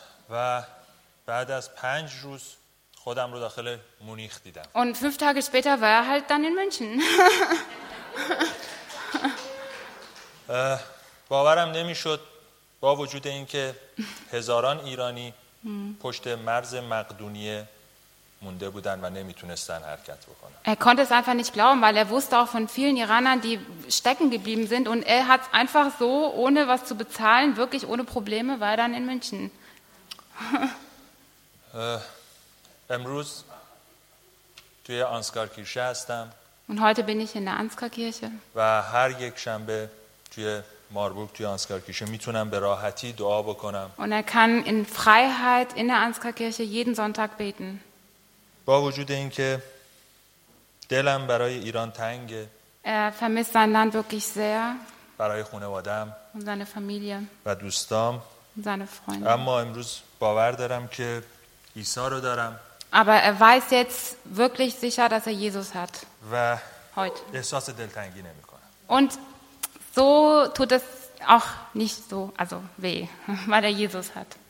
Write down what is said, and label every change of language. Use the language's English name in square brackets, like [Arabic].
[Persian] و بعد از 5 روز خودم رو داخل مونیخ دیدم. [German] Und 5 Tage später war er halt dann in München. [Persian] باورم نمیشد با وجود اینکه هزاران ایرانی پشت مرز مقدونیه مونده بودن و نمیتونستن حرکت بکنن. [German] Er konnte es einfach nicht glauben, weil er wusste auch von vielen Iranern, die stecken geblieben sind und er hat einfach so ohne was zu bezahlen, wirklich ohne Probleme war dann in München. [Persian] امروز توی آنسکار کیرشه هستم. [German] Und heute bin ich in der Ansgar Kirche. [Persian] و هر یک شنبه توی ماربورگ توی آنسکار کیرشه میتونم به راحتی دعا بکنم. [German] Und er kann in Freiheit in der Ansgar Kirche jeden Sonntag beten. [Persian] با وجود اینکه دلم برای ایران تنگه. [German] Er vermisst sein Land wirklich sehr. [Persian] برای خانواده‌ام. [German] Und seine Familie. [Persian] و دوستام. [German] Und seine Freunde. [Persian] اما امروز باور دارم که عیسی رو دارم. [German] Aber er weiß jetzt wirklich sicher, dass er Jesus hat. [Persian] و [German] heute. [Persian] احساس دلتنگی نمی‌کنم. [German] Und so tut es auch nicht so, also weh, weil er Jesus hat.